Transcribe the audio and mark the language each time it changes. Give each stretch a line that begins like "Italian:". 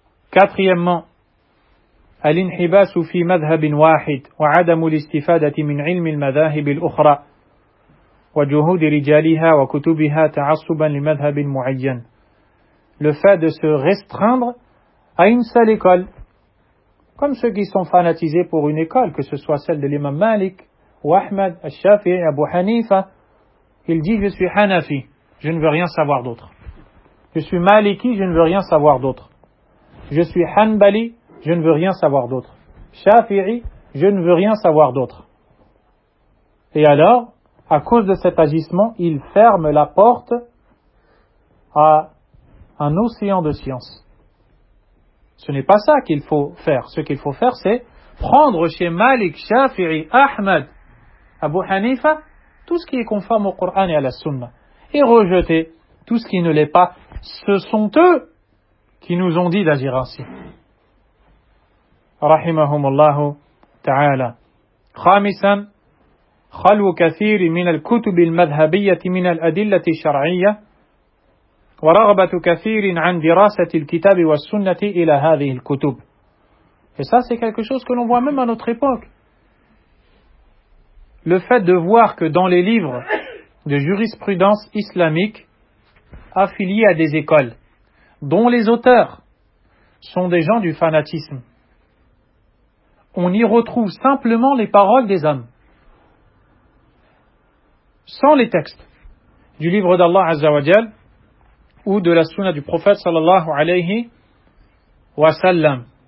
Arabic: Quatrièmement, الانحباس في مذهب واحد وعدم الاستفادة من علم المذاهب الأخرى وجهود رجالها وكتبها تعصبا لمذهب معين.
French: Le fait de se restreindre à une seule école, comme ceux qui sont fanatisés pour une école, que ce soit celle de l'imam Malik ou Ahmed, Al-Shafi'i, Abu Hanifa, il dit je suis Hanafi, je ne veux rien savoir d'autre. Je suis Maliki, je ne veux rien savoir d'autre. Je suis Hanbali, je ne veux rien savoir d'autre. Shafi'i, je ne veux rien savoir d'autre. Et alors, à cause de cet agissement, il ferme la porte à un océan de science. Ce n'est pas ça qu'il faut faire. Ce qu'il faut faire, c'est prendre chez Malik, Shafi'i, Ahmed, Abu Hanifa, tout ce qui est conforme au Coran et à la Sunna, et rejeter tout ce qui ne l'est pas. Ce sont eux qui nous ont dit d'agir ainsi.
Arabic: رحمهم الله تعالى. خامسا خلو كثير من الكتب المذهبية من الأدلة الشرعية ورغبة كثير عن دراسة الكتاب والسنة إلى هذه الكتب.
French: Et ça, c'est quelque chose que l'on voit même à notre époque. Le fait de voir que dans les livres de jurisprudence islamique affiliés à des écoles dont les auteurs sont des gens du fanatisme, on y retrouve simplement les paroles des hommes, sans les textes du livre d'Allah Azza wa Jal ou de la sunna du prophète sallallahu alayhi wa sallam.